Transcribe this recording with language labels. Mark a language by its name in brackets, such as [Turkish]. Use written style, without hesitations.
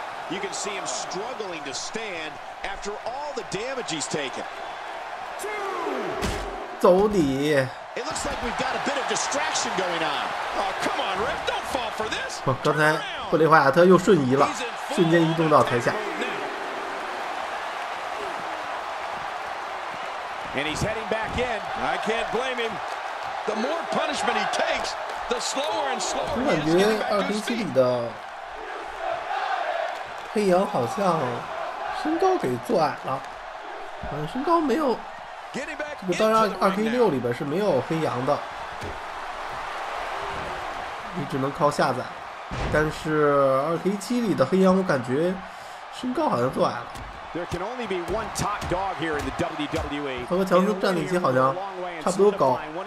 [English] You can see him struggling to stand after all the damage he's taken. [Chinese] Two. 走你 [English] It looks like we've got a bit of distraction going on. Oh, come on, ref, don't fall for this. [Chinese] 刚才布雷怀亚特又瞬移了，瞬间移动到台下。 [English] And he's heading back in. I can't blame him. The more punishment he takes, the slower and slower he is getting back to his feet. [Chinese] 我感觉2007里的黑羊好像身高给做矮了，好像身高没有当然 2K16 里边是没有黑羊的，你只能靠下载，但是 2K7 里的黑羊我感觉身高好像做矮了。 [English] There can only be one top dog here in the WWE. [Chinese] 他和乔斯站在一起好像差不多高。